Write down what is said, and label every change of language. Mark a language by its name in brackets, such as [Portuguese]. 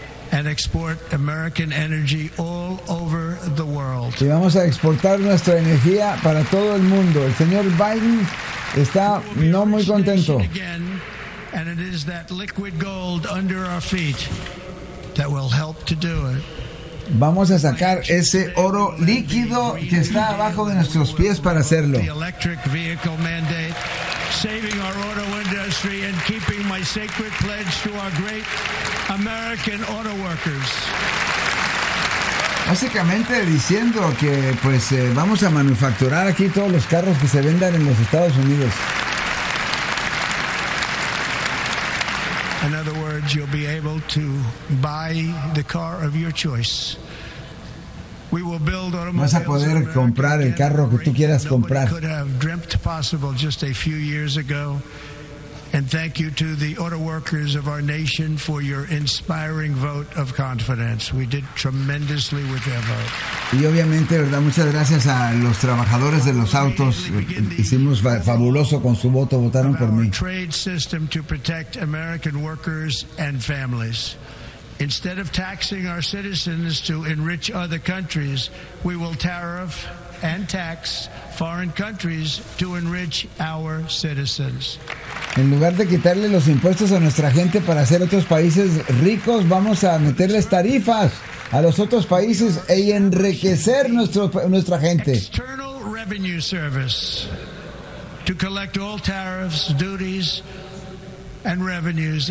[English] And export American energy all over the world. [Spanish] Y vamos a exportar nuestra energía para todo el mundo. El señor Biden está no muy contento. [English] And it is that liquid gold under our feet that will help to do it. [Spanish] Vamos a sacar ese oro líquido que está abajo de nuestros pies para hacerlo. [English] The electric vehicle mandate, saving our auto industry and keeping my sacred pledge to our great American auto workers. [Spanish] Básicamente diciendo que pues vamos a manufacturar aquí todos los carros que se vendan en los Estados Unidos. [English] In other words, you'll be able to buy the car of your choice. We will build automobiles. [Spanish] Vas a poder comprar el carro que tú quieras comprar. [English] Could have dreamt possible just a few years ago. And thank you to the auto workers of our nation for your inspiring vote of confidence. We did tremendously with their vote. [Spanish] Y obviamente, verdad, muchas gracias a los trabajadores de los autos. Hicimos fabuloso con su voto, votaron por mí. [English] Trade system to protect American workers and families. Instead of taxing our citizens to enrich other countries, we will tariff and tax foreign countries to enrich our citizens. [Spanish] En lugar de quitarle los impuestos a nuestra gente para hacer otros países ricos, vamos a meterles tarifas a los otros países e enriquecer nuestra gente. [English] External Revenue Service to collect all tariffs, duties and revenues.